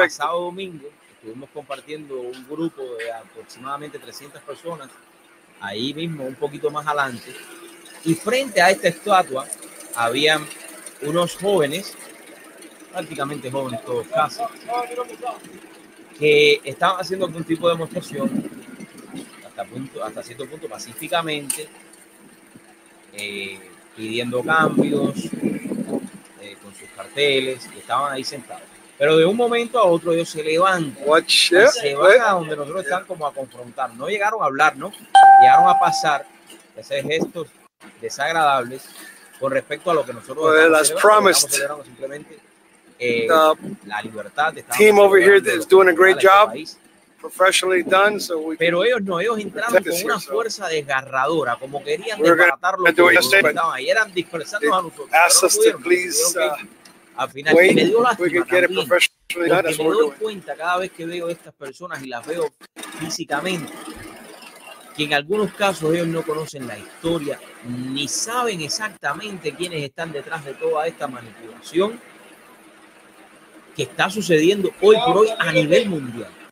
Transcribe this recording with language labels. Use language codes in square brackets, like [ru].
[es] El pasado domingo estuvimos compartiendo un grupo de aproximadamente 300 personas, ahí mismo, un poquito más adelante, y frente a esta estatua habían unos jóvenes, prácticamente jóvenes todos casi, que estaban haciendo algún tipo de demostración, hasta cierto punto pacíficamente, pidiendo cambios con sus carteles, que estaban ahí sentados. Pero de un momento a otro ellos se levantan y se van a donde nosotros están como a confrontar. No llegaron a hablar, ¿no? Llegaron a pasar esos gestos desagradables con respecto a lo que nosotros estamos celebrando simplemente la libertad. [en] Team over here that's doing a great job. Professionally done, so we [es] pero ellos no, ellos entraron con una fuerza desgarradora, como querían desbaratar los que estaban ahí, eran dispersando a nosotros. [en] No please, [es] al final, [en] wait, [es] me dio lástima también, porque me doy cuenta cada vez que veo estas personas y las veo físicamente, que en algunos casos ellos no conocen la historia, ni saben exactamente quiénes están detrás de toda esta manipulación que está sucediendo hoy por hoy a nivel mundial.